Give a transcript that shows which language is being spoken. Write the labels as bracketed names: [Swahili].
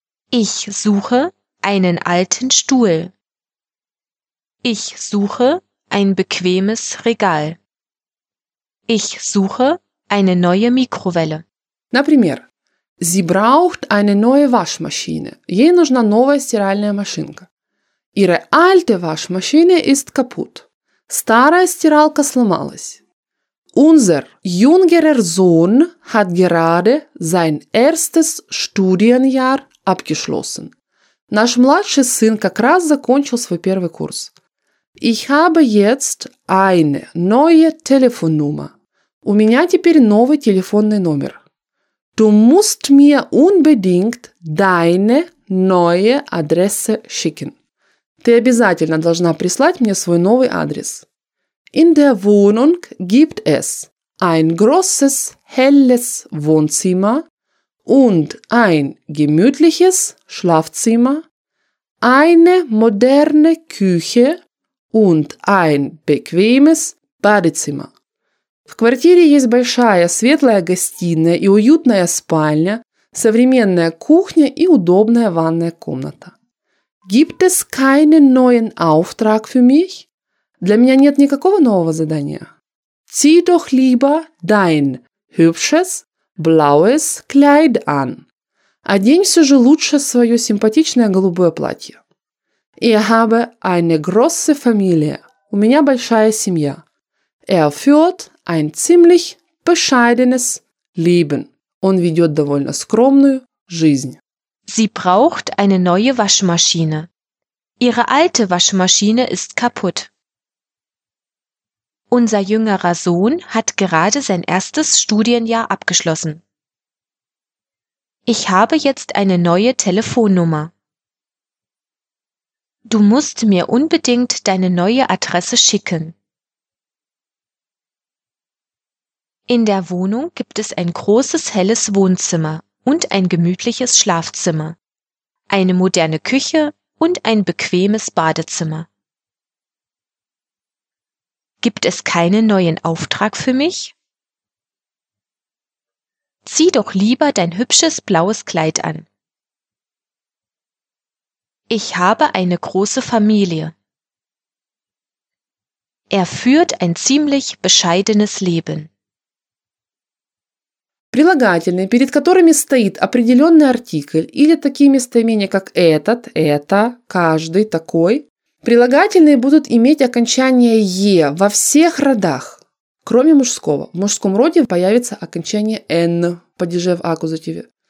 [German] Ich suche einen alten Stuhl. Ich suche ein bequemes Regal. Ich suche eine neue Mikrowelle. [Russian] Например, [German] sie braucht eine neue Waschmaschine. [Russian] Ей нужна новая стиральная машинка. [German] Ihre alte Waschmaschine ist kaputt. [Russian] Старая стиралка сломалась. [German] Unser jüngerer Sohn hat gerade sein erstes Studienjahr abgeschlossen. [Russian] Наш младший сын как раз закончил свой первый курс. [German] Ich habe jetzt eine neue Telefonnummer. [Russian] У меня теперь новый телефонный номер. [German] Du musst mir unbedingt deine neue Adresse schicken. [Russian] Ты обязательно должна прислать мне свой новый адрес. [German] In der Wohnung gibt es ein großes, helles Wohnzimmer und ein gemütliches Schlafzimmer, eine moderne Küche und ein bequemes Badezimmer. [Russian] В квартире есть большая светлая гостиная и уютная спальня, современная кухня и удобная ванная комната. [German] Gibt es keinen neuen Auftrag für mich? [Russian] Для меня нет никакого нового задания. [German] Zieh doch lieber dein hübsches blaues Kleid an. [Russian] Одень все же лучше свое симпатичное голубое платье. [German] Ich habe eine große Familie. [Russian] У меня большая семья. [German] Führt ein ziemlich bescheidenes Leben. [Russian] Он ведет довольно скромную жизнь. [German] Sie braucht eine neue Waschmaschine. Ihre alte Waschmaschine ist kaputt. Unser jüngerer Sohn hat gerade sein erstes Studienjahr abgeschlossen. Ich habe jetzt eine neue Telefonnummer. Du musst mir unbedingt deine neue Adresse schicken. In der Wohnung gibt es ein großes, helles Wohnzimmer und ein gemütliches Schlafzimmer, eine moderne Küche und ein bequemes Badezimmer. Gibt es keinen neuen Auftrag für mich? Zieh doch lieber dein hübsches blaues Kleid an. Ich habe eine große Familie. Führt ein ziemlich bescheidenes Leben. [Russian] Прилагательные, перед которыми стоит определенный артикль, или такие местоимения, как этот, это, каждый, такой, прилагательные будут иметь окончание «е» во всех родах, кроме мужского. В мужском роде появится окончание «н» в падеже в акузативе.